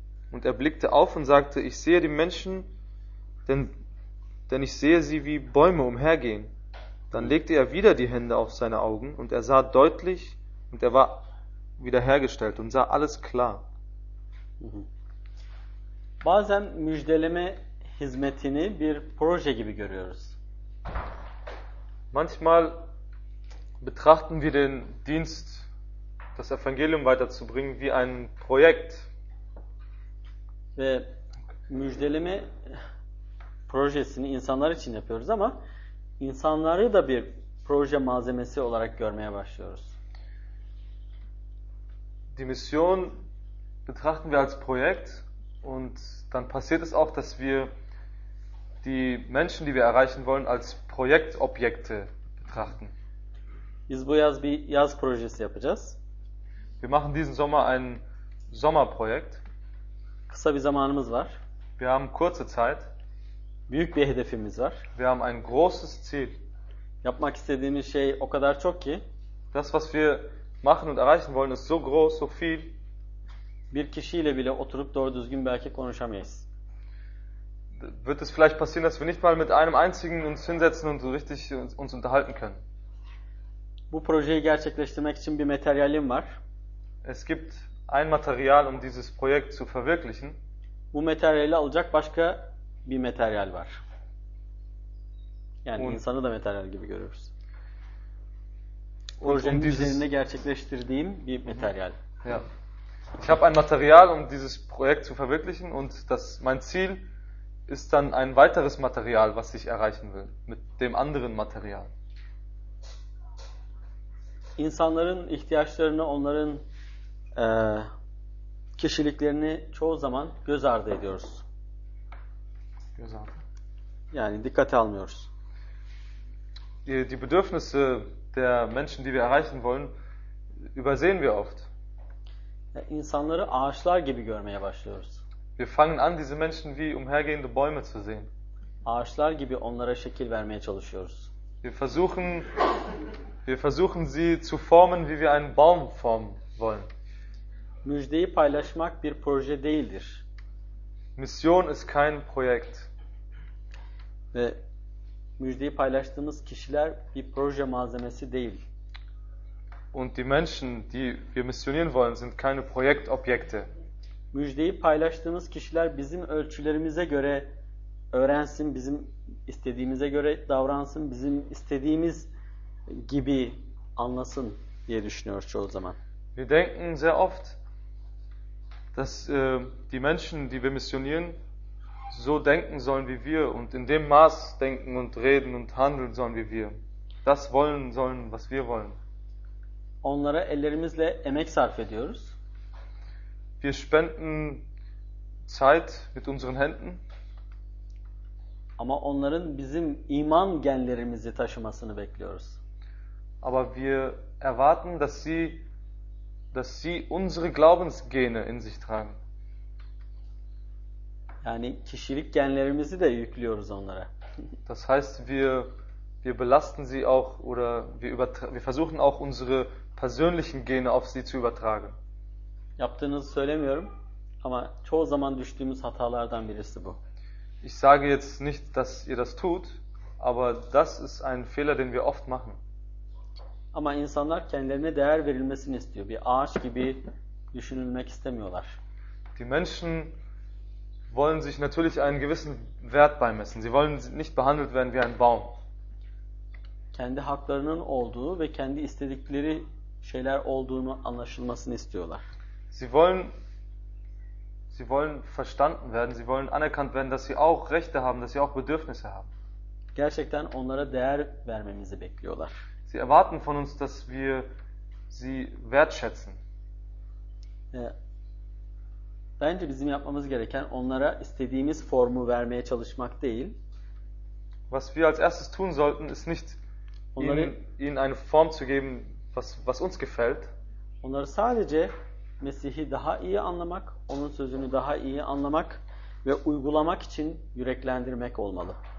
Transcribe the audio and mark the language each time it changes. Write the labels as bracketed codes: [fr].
[de] Und blickte auf und sagte, ich sehe die Menschen, denn ich sehe sie wie Bäume umhergehen. Dann legte wieder die Hände auf seine Augen und sah deutlich und war wiederhergestellt und sah alles klar. [tr] Bazen müjdeleme hizmetini bir proje gibi görüyoruz. [de] Manchmal betrachten wir den Dienst, das Evangelium weiterzubringen, wie ein Projekt. [tr] Ve müjdeleme projesini insanlar için yapıyoruz ama insanları da bir proje malzemesi olarak görmeye başlıyoruz. [de] Die Mission betrachten wir als Projekt und dann passiert es auch, dass wir die Menschen, die wir erreichen wollen, als Projektobjekte betrachten. [tr] Biz bu yaz bir yaz projesi yapacağız. [de] Wir machen diesen Sommer ein Sommerprojekt. [tr] Kısa bir zamanımız var. [de] Wir haben kurze Zeit. [tr] Büyük bir hedefimiz var. [de] Wir haben ein großes Ziel. [tr] Yapmak istediğimiz şey o kadar çok ki. [de] Das, was wir machen und erreichen wollen, ist so groß, so viel. [tr] Bir kişiyle bile oturup doğru düzgün belki konuşamayız. [de] Wird es vielleicht passieren, dass wir nicht mal mit einem einzigen uns hinsetzen und so richtig uns unterhalten können? [tr] Bu projeyi gerçekleştirmek için bir materyalim var. [de] Es gibt ein Material, um dieses Projekt zu verwirklichen. [tr] Bu materyali alacak başka bir materyal var. Yani insanı da materyal gibi görüyoruz. Projenin üzerinde gerçekleştirdiğim bir materyal. [de] Ja. Ich habe ein Material, um dieses Projekt zu verwirklichen und das mein Ziel ist dann ein weiteres Material, was ich erreichen will mit dem anderen Material. [tr] İnsanların ihtiyaçlarını, onların kişiliklerini çoğu zaman göz ardı ediyoruz. Göz ardı. Yani dikkate almıyoruz. [de] Die Bedürfnisse der Menschen, die wir erreichen wollen, übersehen wir oft. [tr] İnsanları ağaçlar gibi görmeye başlıyoruz. [de] Wir fangen an, diese Menschen wie umhergehende Bäume zu sehen. [tr] Ağaçlar gibi onlara şekil vermeye çalışıyoruz. [de] Wir versuchen sie zu formen, wie wir einen Baum formen wollen. [tr] Müjdeyi paylaşmak bir proje değildir. [de] Mission ist kein Projekt. [tr] Ve müjdeyi paylaştığımız kişiler bir proje malzemesi değil. [de] Und die Menschen, die wir missionieren wollen, sind keine Projektobjekte. [tr] Müjdeyi paylaştığımız kişiler bizim ölçülerimize göre öğrensin, bizim istediğimize göre davransın, bizim istediğimiz gibi anlasın diye düşünüyoruz çoğu zaman. [de] Wir denken sehr oft, dass die Menschen, die wir missionieren, so denken sollen wie wir und in dem Maß denken und reden und handeln sollen wie wir. Das wollen sollen, was wir wollen. [tr] Onlara ellerimizle emek sarf ediyoruz. [de] Wir spenden Zeit mit unseren Händen. [tr] Ama onların bizim iman genlerimizi taşımasını bekliyoruz. [de] Aber wir erwarten, dass sie unsere Glaubensgene in sich tragen. [tr] Yani kişilik genlerimizi de yüklüyoruz onlara. [de] Das heißt, wir belasten sie auch oder wir versuchen auch unsere persönlichen Gene auf sie zu übertragen. [tr] Yaptığınızı söylemiyorum. Ama çoğu zaman düştüğümüz hatalardan birisi bu. [de] Ich sage jetzt nicht, dass ihr das tut, aber das ist ein Fehler, den wir oft machen. [tr] Ama insanlar kendilerine değer verilmesini istiyor. Bir ağaç gibi düşünülmek istemiyorlar. [de] Die Menschen wollen sich natürlich einen gewissen Wert beimessen. Sie wollen nicht behandelt werden wie ein Baum. [tr] Kendi haklarının olduğu ve kendi istedikleri şeyler olduğunu anlaşılmasını istiyorlar. [de] Sie wollen verstanden werden, sie wollen anerkannt werden, dass sie auch Rechte haben, dass sie auch Bedürfnisse haben. [tr] Gerçekten onlara değer vermemizi bekliyorlar. [de] Sie erwarten von uns, dass wir sie wertschätzen. [tr] Bence bizim yapmamız gereken onlara istediğimiz formu vermeye çalışmak değil. [de] Was wir als erstes tun sollten, ist nicht [tr] onları, [de] ihnen eine Form zu geben, was uns gefällt. [tr] Onları sadece Mesih'i daha iyi anlamak, onun sözünü daha iyi anlamak ve uygulamak için yüreklendirmek olmalı.